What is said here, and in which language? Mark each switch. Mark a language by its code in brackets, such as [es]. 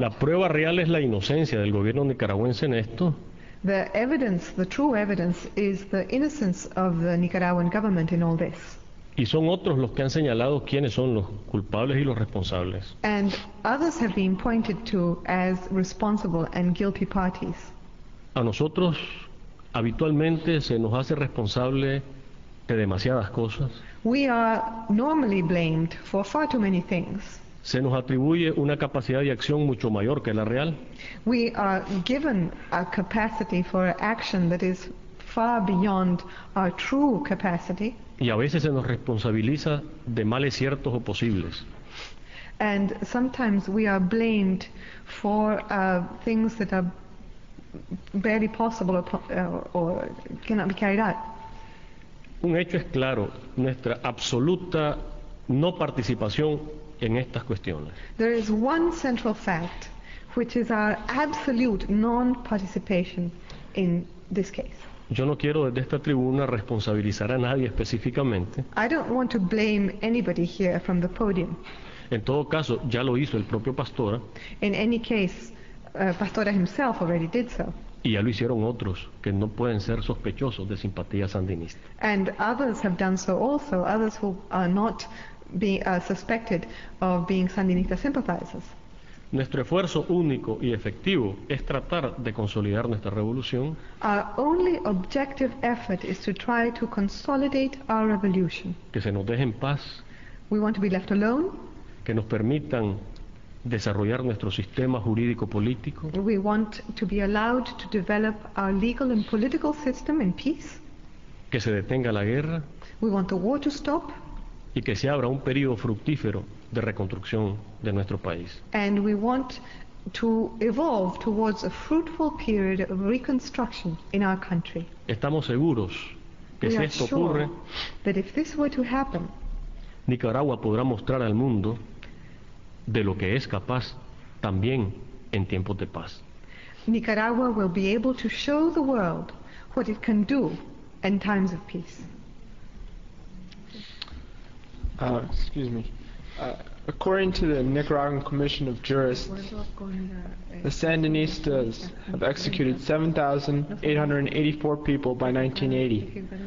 [es] La prueba real es la inocencia del gobierno nicaragüense en esto. [en] The evidence, the true evidence, is the innocence of the Nicaraguan government in all this. [es] Y son otros los que han señalado quiénes son los culpables y los responsables. [en] And others have been pointed to as responsible and guilty parties. [es] A nosotros habitualmente se nos hace responsable de demasiadas cosas. [en] We are normally blamed for far too many things. [es] Se nos atribuye una capacidad de acción mucho mayor que la real. [en] We are given a capacity for action that is far beyond our true capacity. [es] Y a veces se nos responsabiliza de males ciertos o posibles. [en] And sometimes we are blamed for things that are barely possible or cannot be carried out. [es] Un hecho es claro, nuestra absoluta no participación en estas cuestiones. [en] There is one central fact, which is our absolute non-participation in this case. [es] Yo no quiero desde esta tribuna responsabilizar a nadie específicamente. [en] I don't want to blame anybody here from the podium. [es] En todo caso, ya lo hizo el propio Pastora. [en] In any case, Pastora himself already did so. [es] Y ya lo hicieron otros que no pueden ser sospechosos de simpatía sandinista. [en] And others have done so also, others who are not suspected of being Sandinista sympathizers. [es] Nuestro esfuerzo único y efectivo es tratar de consolidar nuestra revolución. [en] Our only objective effort is to try to consolidate our revolution. [es] Que se nos deje en paz. [en] We want to be left alone. [es] Que nos permitan desarrollar nuestro sistema jurídico político. [en] We want to be allowed to develop our legal and political system in peace. [es] Que se detenga la guerra. [en] We want the war to stop. [es] Y que se abra un periodo fructífero de reconstrucción de nuestro país. [en] And we want to evolve towards a fruitful period of reconstruction in our country. [es] Estamos seguros que [en] we [es] si esto ocurre, [en] sure that if this were to happen, [es] Nicaragua podrá mostrar al mundo de lo que es capaz también en tiempos de paz. [en] Nicaragua will be able to show the world what it can do in times of peace. According to the Nicaraguan Commission of Jurists, the Sandinistas have executed 7,884 people by 1980.